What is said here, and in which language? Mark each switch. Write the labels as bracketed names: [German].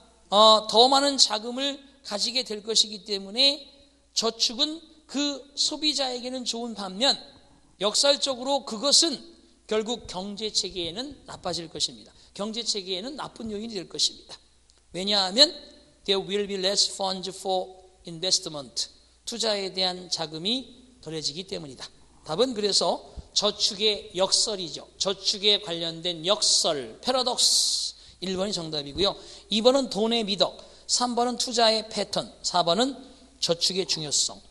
[Korean] 더 많은 자금을 가지게 될 것이기 때문에 저축은 그 소비자에게는 좋은 반면 역설적으로 그것은 결국 경제체계에는 나빠질 것입니다. 경제체계에는 나쁜 요인이 될 것입니다. 왜냐하면 [English] there will be less funds for investment. [Korean] 투자에 대한 자금이 덜해지기 때문이다. 답은 그래서 저축의 역설이죠. 저축에 관련된 역설, 패러독스. 1번이 정답이고요. 2번은 돈의 미덕. 3번은 투자의 패턴, 4번은 저축의 중요성.